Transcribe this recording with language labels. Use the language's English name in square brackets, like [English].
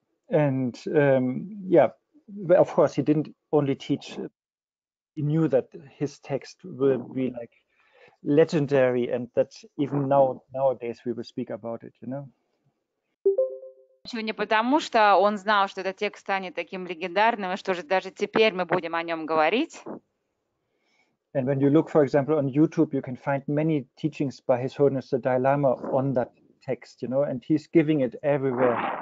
[English] And yeah, of course, he didn't only teach. He knew that his text will be like legendary, and that even now nowadays we will speak about it, you know. [Russian] Не потому, что он знал, что этот текст станет таким легендарным, что же даже теперь мы будем о нем говорить. [English] And when you look, for example, on YouTube, you can find many teachings by His Holiness the Dalai Lama on that text, you know, and he's giving it everywhere.